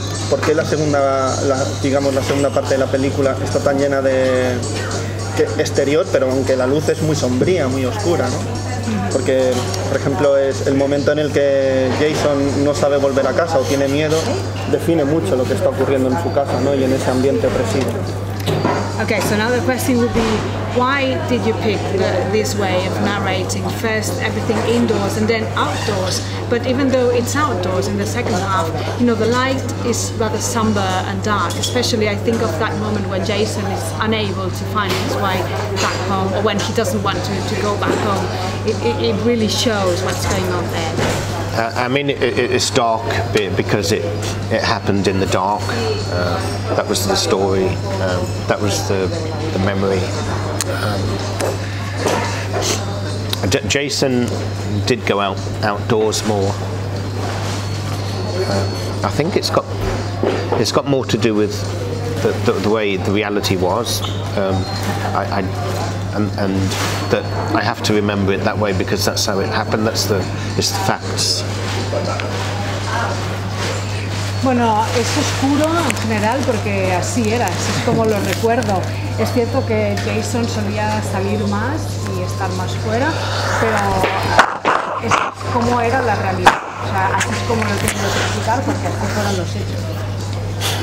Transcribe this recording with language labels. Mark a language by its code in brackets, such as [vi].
[es] ¿Por qué la segunda parte de la película está tan llena de exterior, pero aunque la luz es muy sombría, muy oscura, ¿no? Porque, por ejemplo, es el momento en el que Jason no sabe volver a casa o tiene miedo, define mucho lo que está ocurriendo en su casa, ¿no?, y en ese ambiente opresivo. [en] Okay, so now the question would be, why did you pick this way of narrating first everything indoors and then outdoors? But even though it's outdoors in the second half, you know, the light is rather somber and dark, especially I think of that moment when Jason is unable to find his way back home, or when he doesn't want to go back home. It really shows what's going on there. It's dark because it happened in the dark. That was the story. That was the memory. Jason did go outdoors more. I think it's got more to do with the way the reality was. And that I have to remember it that way because that's how it happened. It's the facts. [es] Bueno, es oscuro en general porque así era, así es como lo recuerdo. Es cierto que Jason solía salir más y estar más fuera, pero es como era la realidad. O sea, así es como lo tengo que explicar porque así fueron los hechos.